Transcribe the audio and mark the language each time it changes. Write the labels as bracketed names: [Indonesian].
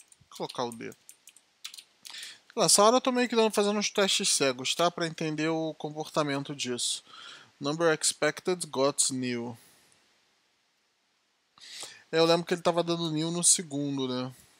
[Portuguese] Colocar o D. Nessa hora eu tô meio que fazendo uns testes cegos, tá? Pra entender o comportamento disso. [English] Number expected got new. [Portuguese] Eu lembro que ele tava dando new no segundo, né?